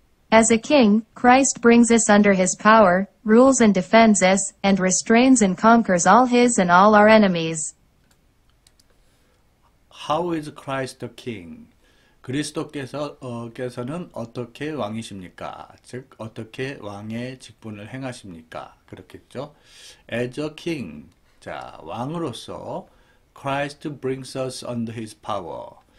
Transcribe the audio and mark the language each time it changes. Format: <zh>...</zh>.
<en>As a king, Christ brings us under his power, rules and defends us, and restrains and conquers all his and all our enemies. How is Christ a king?</en> <ko>그리스도께서는 어떻게 왕이십니까? 즉, 어떻게 왕의 직분을 행하십니까? 그렇겠죠?</ko> <en>As a king,</en> <ko>자, 왕으로서</ko> <en>Christ brings us under his power.</en>